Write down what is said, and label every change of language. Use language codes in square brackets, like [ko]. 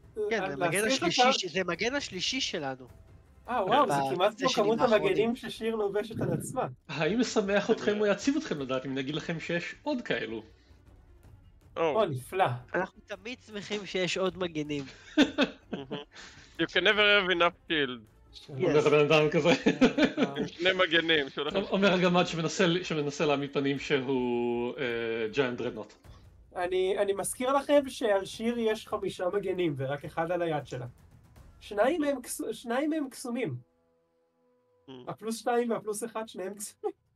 [he] כן, זה מגן השלישי שלנו. וואו, זה כמעט כמו כמות המגנים ששיר לובשת על עצמה. האם משמח אתכם או יציב אתכם לדעת אם נגיד לכם שיש עוד כאלו? או, נפלא. אנחנו תמיד שמחים שיש עוד מגנים. [en] You can never have enough shield. [he] אומר הבן אדם כזה. עם שני מגנים. אומר הגמד שמנסה להעמיד פנים שהוא ג'יינט דרדנוט. אני מזכיר לכם שעל שיר יש חמישה מגנים ורק אחד על היד שלה. שניים הם קסומים. הפלוס שניים והפלוס אחד, שניהם קסומים.